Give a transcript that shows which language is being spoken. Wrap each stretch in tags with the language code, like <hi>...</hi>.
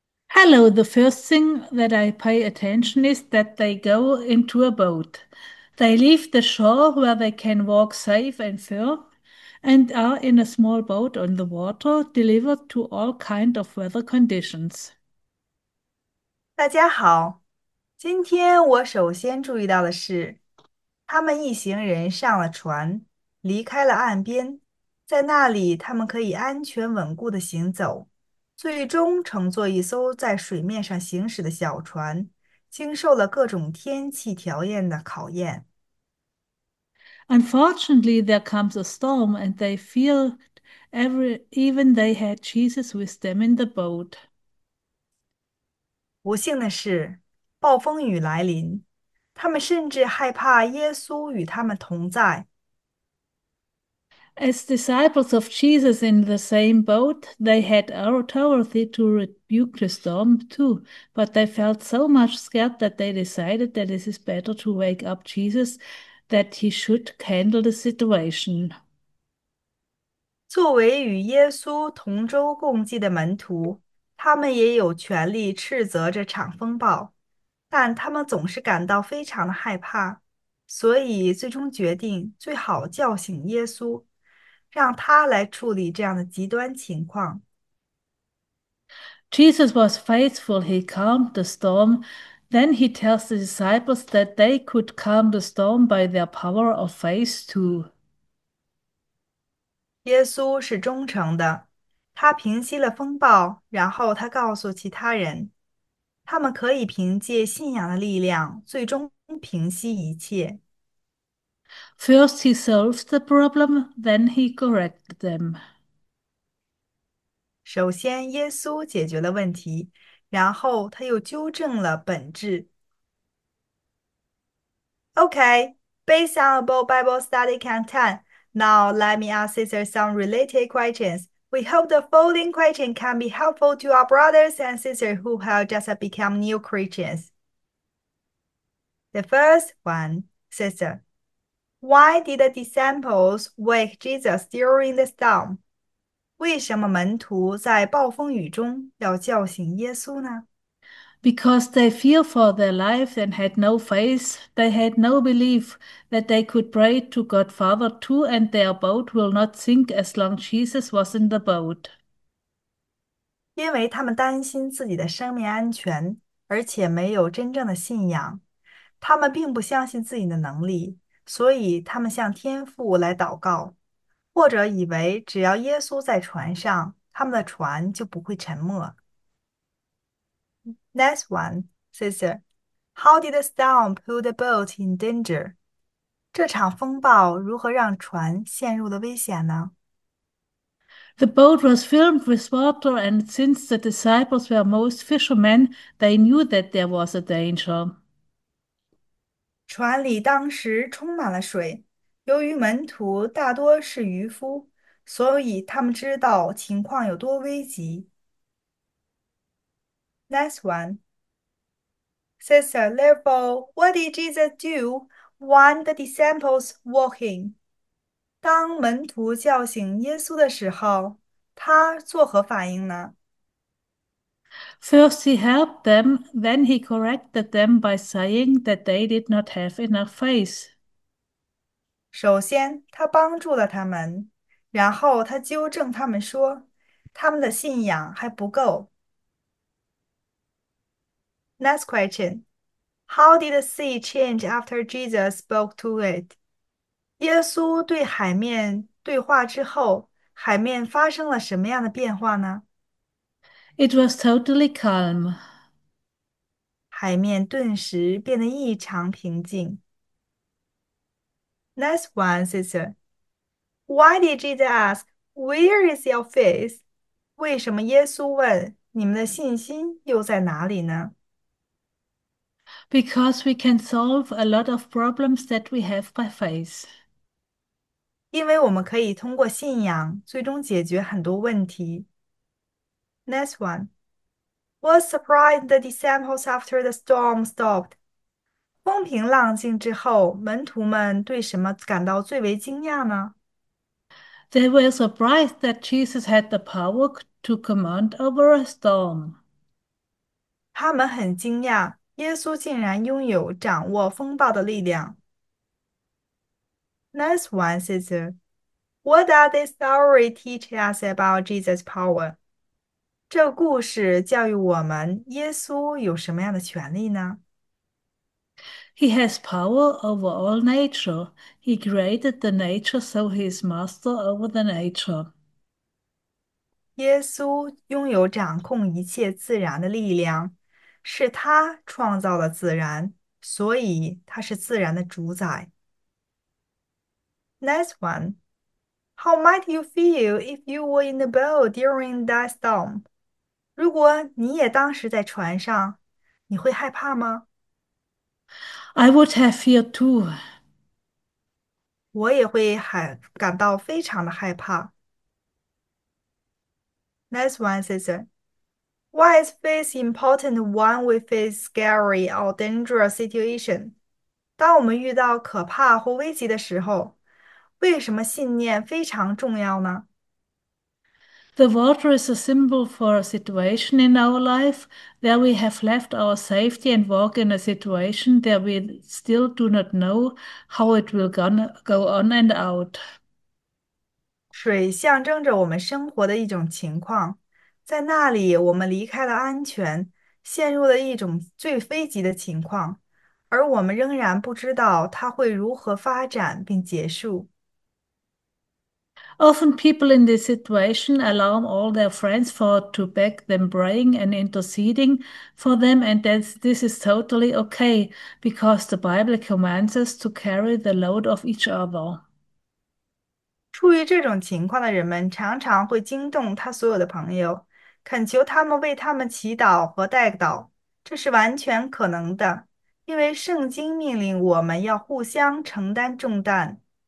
<en>Hello, the first thing that I pay attention is that they go into a boat. They leave the shore where they can walk safe and sure, and are in a small boat on the water, delivered to all kind of weather conditions.</en> <zh>大家好，今天我首先注意到的是，他们一行人上了船，离开了岸边，在那里他们可以安全稳固地行走。最终乘坐一艘在水面上行驶的小船，经受了各种天气条件的考验。</zh> <en>Unfortunately, there comes a storm, and they feel even they had Jesus with them in the boat.</en> <zh>不幸的是，暴风雨来临，他们甚至害怕耶稣与他们同在。</zh> <en>As disciples of Jesus in the same boat, they had authority to rebuke the storm too, but they felt so much scared that they decided that it is better to wake up Jesus, that he should handle the situation.</en> <zh>作为与耶稣同舟共济的门徒，他们也有权利斥责这场风暴，但他们总是感到非常的害怕，所以最终决定最好叫醒耶稣，让他来处理这样的极端情况。</zh> <en>Jesus was faithful. He calmed the storm. Then he tells the disciples that they could calm the storm by their power of faith too.</en> <zh>耶稣是忠诚的，他平息了风暴，然后他告诉其他人，他们可以凭借信仰的力量，最终平息一切。</zh> <en>First he solved the problem, then he corrected them.</en> <zh>首先，耶稣解决了问题，然后他又纠正了本质。</zh> <en>OK, based on a bold Bible study content. Now, let me ask sister some related questions. We hope the following question can be helpful to our brothers and sisters who have just become new Christians. The first one, sister, why did the disciples wake Jesus during the storm?</en> <zh>为什么门徒在暴风雨中要叫醒耶稣呢？</zh> <en>Because they feared for their life and had no faith, they had no belief that they could pray to God Father too, and their boat will not sink as long as Jesus was in the boat.</en> <zh>因为他们担心自己的生命安全，而且没有真正的信仰，他们并不相信自己的能力，所以他们向天父来祷告，或者以为只要耶稣在船上，他们的船就不会沉没。</zh> <en>Next one, sister, how did the storm put the boat in danger?</en> <zh>这场风暴如何让船陷入了危险呢？</zh> <en>The boat was filled with water, and since the disciples were most fishermen, they knew that there was a danger.</en> <zh>船里当时充满了水，由于门徒大多是渔夫，所以他们知道情况有多危急。</zh> <en>Next one, sister, therefore, what did Jesus do when the disciples woke him?</en> <zh>当门徒叫醒耶稣的时候，他作何反应呢？</zh> <en>First, he helped them, then he corrected them by saying that they did not have enough faith.</en> <zh>首先，他帮助了他们，然后他纠正他们说，他们的信仰还不够。</zh> <en>Next question. How did the sea change after Jesus spoke to it?</en> <zh>耶稣对海面对话之后，海面发生了什么样的变化呢？</zh> <en>It was totally calm.</en> <zh>海面顿时变得异常平静。</zh> <en>Next one, sister. Why did Jesus ask, "Where is your faith?"</en> <zh>为什么耶稣问你们的信心又在哪里呢？</zh> <en>Because we can solve a lot of problems that we have by faith.</en> <zh>因为我们可以通过信仰最终解决很多问题。</zh> <en>Next one. What surprised the disciples after the storm stopped?</en> <zh>风平浪静之后，门徒们对什么感到最为惊讶呢？</zh> <en>They were surprised that Jesus had the power to command over a storm.</en> <zh>他们很惊讶，耶稣竟然拥有掌握风暴的力量。</zh> <en>Next one, sister, what does this story teach us about Jesus' power?</en> <zh>这故事教育我们，耶稣有什么样的权利呢？</zh> <en>He has power over all nature. He created the nature, so he is master over the nature.</en> <zh>耶稣拥有掌控一切自然的力量，是他创造了自然，所以他是自然的主宰。</zh> <en>Next one. How might you feel if you were in the boat during that storm?</en> <zh>如果你也当时在船上，你会害怕吗？</zh> <en>I would have fear too.</en> <zh>我也会感到非常的害怕。</zh> <en>Next one, sister. Why is faith important when we face scary or dangerous situation?</en> <zh>当我们遇到可怕或危急的时候，为什么信念非常重要呢？</zh> <en>The water is a symbol for a situation in our life where we have left our safety and walk in a situation that we still do not know how it will gonna go on and out.</en> <zh>水象征着我们生活的一种情况，在那里我们离开了安全，陷入了一种最危急的情况，而我们仍然不知道它会如何发展并结束。</zh> <en>Often people in this situation alarm all their friends for to beg them praying and interceding for them, and that this is totally okay because the Bible commands us to carry the load of each other.</en> <zh>处于这种情况的人们常常会惊动他所有的朋友，恳求他们为他们祈祷和代祷，这是完全可能的，因为圣经命令我们要互相承担重担。</zh>